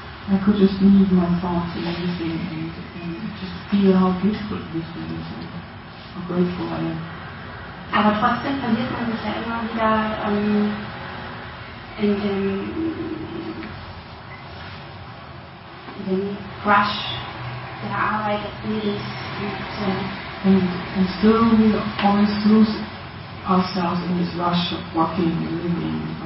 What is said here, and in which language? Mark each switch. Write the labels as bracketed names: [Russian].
[English] I could just leave my thoughts and everything and just feel how beautiful this thing is and how grateful I am. [German] Aber trotzdem verliert man sich ja immer wieder in dem Rush der Arbeit, des Lebens. [English] And still we always lose ourselves in this rush of walking and living.